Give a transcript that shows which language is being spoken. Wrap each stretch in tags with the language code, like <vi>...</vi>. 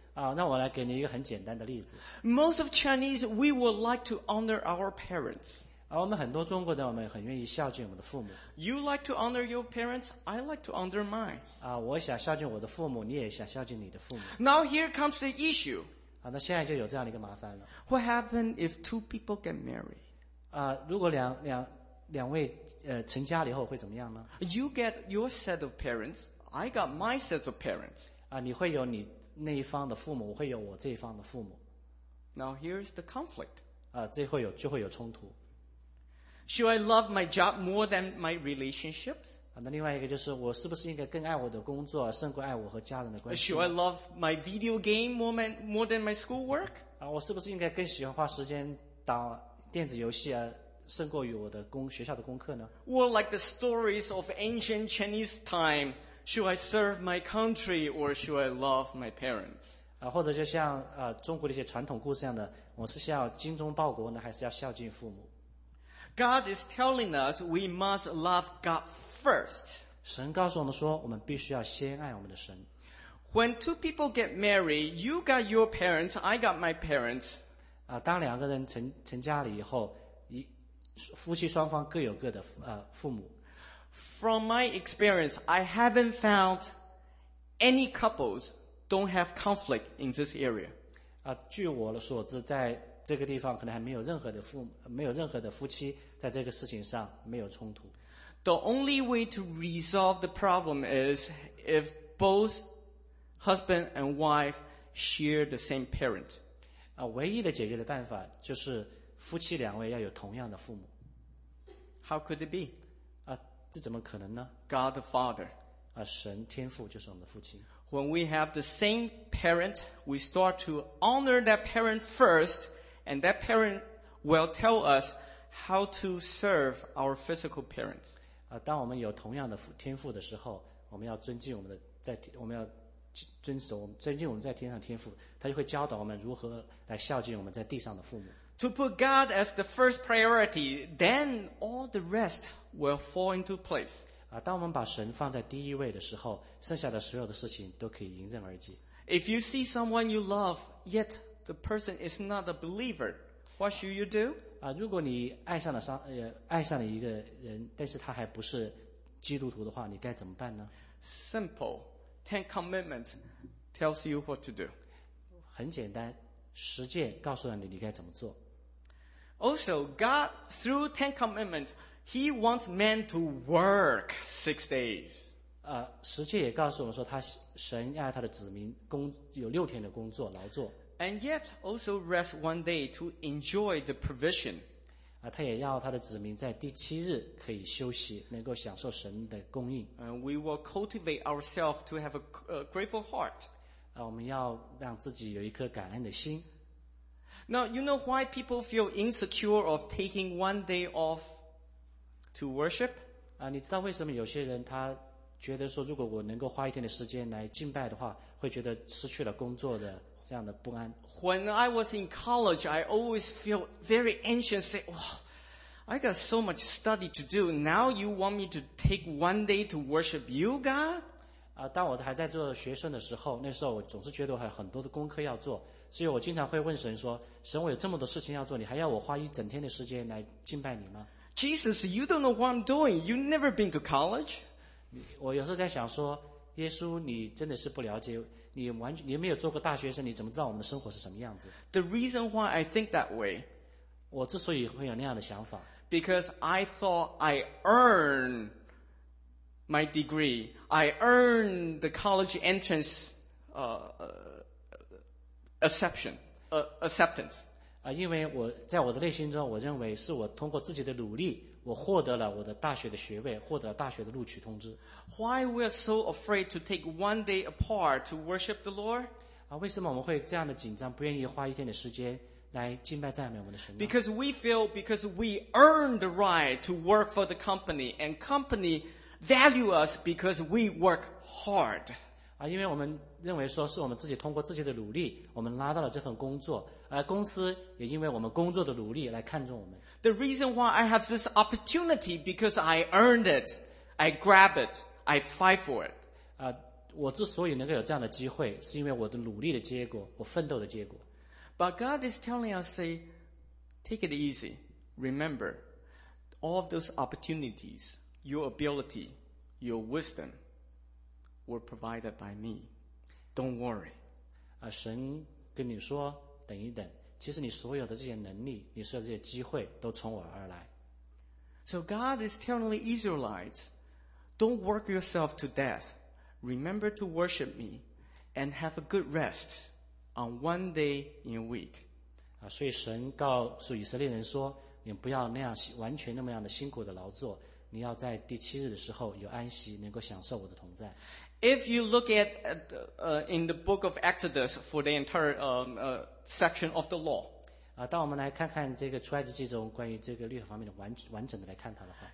<zh>啊，那我来给你一个很简单的例子。</zh> <en>Most of Chinese, we would like to honor our parents.</en> <zh>啊，我们很多中国人，我们很愿意孝敬我们的父母。</zh> <en>You like to honor your parents. I like to honor mine.</en> <zh>啊，我想孝敬我的父母，你也想孝敬你的父母。</zh> <en>Now here comes the issue.</en> <zh>啊，那现在就有这样的一个麻烦了。</zh> <en>What happens if two people get married?</en> <zh>啊，如果两位成家了以后会怎么样呢</zh> <en>？You get your set of parents, I got my set of parents.</en> <zh>啊，你会有你那一方的父母，我会有我这一方的父母。</zh> <en>Now here's the conflict.</en> <zh>啊，就会有冲突。</zh> <en>Should I love my job more than my relationships?</en> <zh>啊，那另外一个就是，我是不是应该更爱我的工作，胜过爱我和家人的关系</zh> <en>？Should I love my video game more than my schoolwork?</en> <zh>啊，我是不是应该更喜欢花时间打电子游戏啊？胜过于我的学校的功课呢</zh> <en>Well, like the stories of ancient Chinese time, should I serve my country or should I love my parents?</en> <zh>或者就像中国的一些传统故事一样的，我是要精忠报国呢，还是要孝敬父母？</zh> <en>God is telling us we must love God first.</en> <zh>神告诉我们说，我们必须要先爱我们的神。</zh> <en>When two people get married, you got your parents, I got my parents.</en> <zh>当两个人成家了以后，夫妻双方各有各的父母。</zh> <en>From my experience, I haven't found any couples don't have conflict in this area.</en> <zh>据我所知，在这个地方可能还没有任何的夫妻在这个事情上没有冲突。</zh> <en>The only way to resolve the problem is if both husband and wife share the same parent.</en> <zh>唯一的解决的办法就是夫妻两位要有同样的父母。</zh> <en>How could it be?</en> <zh>这怎么可能呢</zh> <en>？God the Father.</en> <zh>神天父就是我们的父亲。</zh> <en>When we have the same parent, we start to honor that parent first, and that parent will tell us how to serve our physical parents.</en> <zh>当我们有同样的天父的时候，我们要尊敬我们的我们要尊敬我们在天上天父，他就会教导我们如何来孝敬我们在地上的父母。</zh> <en>To put God as the first priority, then all the rest will fall into place.</en> <zh>当我们把神放在第一位的时候，剩下的所有的事情都可以迎刃而解。</zh> <en>If you see someone you love, yet the person is not a believer, what should you do?</en> <zh>如果你爱上了一个人，但是他还不是基督徒的话，你该怎么办呢？</zh> <en>Simple, Ten Commandments tells you what to do.</en> <zh>很简单。实践告诉了你该怎么做。</zh> <en>Also, God, through Ten Commandments, He wants men to work 6 days.</en> <zh>实践也告诉我们说神爱他的子民有六天的工作劳作。</zh> <en>And yet also rest one day to enjoy the provision.</en> <zh>他也要他的子民在第七日可以休息，能够享受神的供应。</zh> <en>And we will cultivate ourselves to have a grateful heart.</en> <zh>我们要让自己有一颗感恩的心。</zh> <en>Now you know why people feel insecure of taking one day off to worship?</en> <zh>你知道为什么有些人他觉得说，如果我能够花一天的时间来敬拜的话，会觉得失去了工作的这样的不安</zh> <en>？When I was in college, I always feel very anxious. Say, "Wow, I got so much study to do. Now you want me to take one day to worship you, God?</en> <zh>当我还在做学生的时候，那时候我总是觉得我还有很多的功课要做，所以我经常会问神说，神，我有这么多事情要做，你还要我花一整天的时间来敬拜你吗？</zh> <en>Jesus, you don't know what I'm doing. You've never been to college.</en> <zh>我有时候在想说，耶稣，你真的是不了解，你没有做过大学生，你怎么知道我们的生活是什么样子？</zh> <en>The reason why I think that way,</en> <zh>我之所以会有那样的想法，</zh> <en>because I thought I earned my degree, I earned the college entrance acceptance.</en> <zh>因为我在我的内心中，我认为是我通过自己的努力，我获得了我的大学的学位，获得了大学的录取通知。</zh> <en>Why we are so afraid to take one day apart to worship the Lord?</en> <zh>为什么我们会这样的紧张，不愿意花一天的时间来敬拜赞美我们的神呢？</zh> <en>Because we feel, because we earn the right to work for the company, and company value us because we work hard.</en> <zh>因为我们认为说是我们自己通过自己的努力，我们拉到了这份工作，而公司也因为我们工作的努力来看重我们。</zh> <en>The reason why I have this opportunity because I earned it, I grab it, I fight for it.</en> <zh>我之所以能够有这样的机会，是因为我的努力的结果，我奋斗的结果。</zh> <en>But God is telling us, say, take it easy. Remember, all of those opportunities, your ability, your wisdom, were provided by me. Don't worry.</en> <zh>神跟你说，等一等。其实你所有的这些能力，你所有的这些机会都从我而来。</zh> <en>So God is telling the Israelites, don't work yourself to death. Remember to worship me and have a good rest on one day in a week.</en> <zh>所以神告诉以色列人说，你不要那样完全那么样的辛苦的劳作，你要在第七日的时候有安息，能够享受我的同在。</zh> <en>If you look at in the book of Exodus for the entire section of the law,</en> <zh>当我们来看看这个出埃及记中关于这个律法方面的完整的来看它的话，</zh>